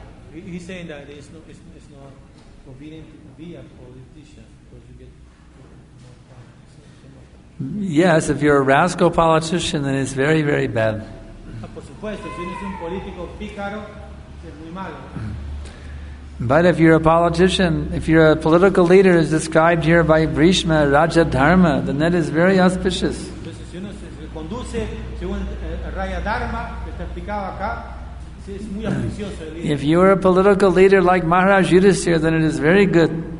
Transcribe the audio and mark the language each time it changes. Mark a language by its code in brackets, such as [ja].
[en] He's saying that it's not convenient to be a politician because you get more time. Yes, if you're a rascal politician, then it's very, very bad. [es] Por supuesto, si eres un político pícaro, es muy malo. [en] But if you're a politician, if you're a political leader, as described here by Bhishma, Raja Dharma, then that is very auspicious. If you are a political leader like Maharaj Yudhisthira, then it is very good.